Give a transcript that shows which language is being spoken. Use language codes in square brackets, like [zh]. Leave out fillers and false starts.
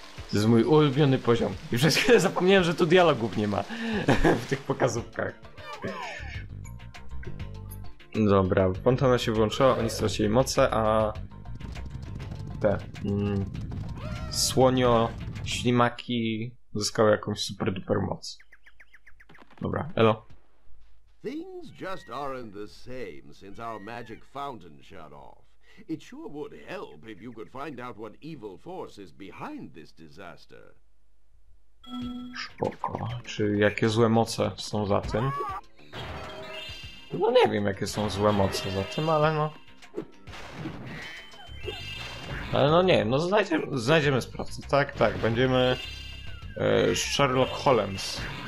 [pl] To jest mój ulubiony poziom. I przez chwilę zapomniałem, że tu dialogów nie ma w tych pokazówkach. Dobra, fontana się wyłączyła, oni stracili moce, a te słonio ślimaki uzyskały jakąś super duper moc. Dobra, elo. [en] Things just aren't the same since our magic fountain shut off. It sure would help if you could find out what evil force is behind this disaster. [pl] Spoko. Czy jakie złe moce są za tym? No nie wiem, jakie są złe moce za tym, ale no... Ale no nie, no znajdziemy sprawcę. Tak, tak, będziemy... Sherlock Holmes.